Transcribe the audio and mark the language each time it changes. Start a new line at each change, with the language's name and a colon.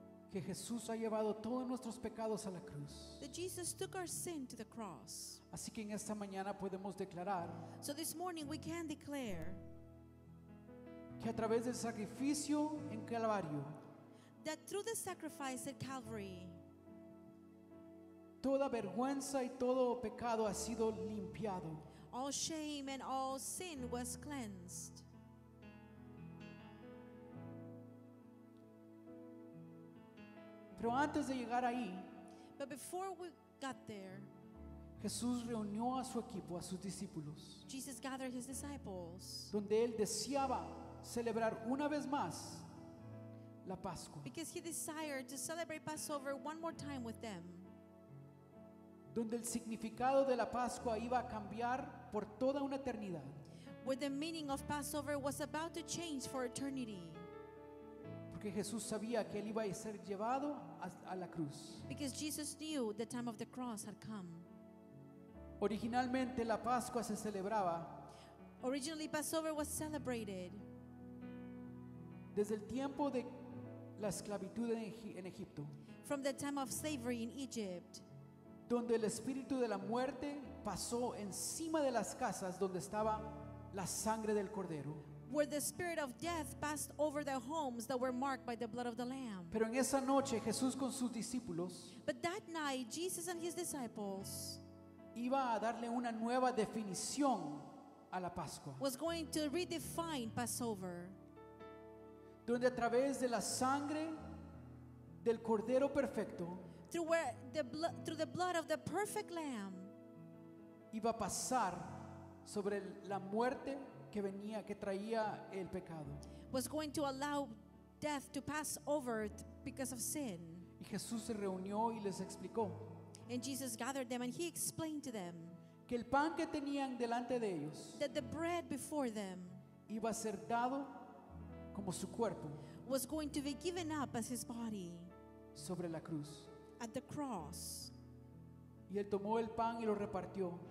Spanish: que Jesús ha llevado todos nuestros pecados a la cruz.
English: That Jesus took our sin to the cross.
Spanish: Así que en esta mañana podemos declarar.
English: So this morning we can declare
Spanish: que a través del sacrificio en Calvario.
English: That through the sacrifice at Calvary,
Spanish: toda vergüenza y todo pecado ha sido limpiado.
English: All shame and all sin was cleansed.
Spanish: Pero antes de llegar ahí,
English: but before we got there,
Spanish: Jesús reunió a su equipo, a sus discípulos.
English: Jesus gathered his disciples,
Spanish: donde él deseaba celebrar una vez más. La Pascua.
English: Because he desired to celebrate Passover one more time with them.
Spanish: Donde el significado de la Pascua iba a cambiar por toda una eternidad.
English: Where the meaning of Passover was about to change for eternity.
Spanish: Porque Jesús sabía que él iba a ser llevado a la cruz.
English: Because Jesus knew the time of the cross had come.
Spanish: Originalmente la Pascua se celebraba.
English: Originally Passover was celebrated.
Spanish: Desde el tiempo de la esclavitud en Egipto.
English: From the time of slavery in Egypt.
Spanish: Donde el espíritu de la muerte pasó encima de las casas donde estaba la sangre del cordero.
English: Where the spirit of death passed over the homes that were marked by the blood of the lamb.
Spanish: Pero en esa noche Jesús con sus discípulos.
English: But that night Jesus and his disciples.
Spanish: Iba a darle una nueva definición a la Pascua.
English: Was going to redefine Passover.
Spanish: Donde a través de la sangre del cordero perfecto,
English: through the blood of the perfect lamb,
Spanish: iba a pasar sobre la muerte que venía, que traía el pecado.
English: Was going to allow death to pass over because of sin.
Spanish: Y Jesús se reunió y les explicó.
English: And Jesus gathered them and he explained to them
Spanish: que el pan que tenían delante de ellos,
English: that the bread before them,
Spanish: iba a ser dado. Como su cuerpo,
English: was going to be given up as his body
Spanish: sobre la cruz,
English: at the cross.
Spanish: Y él tomó el pan y lo repartió,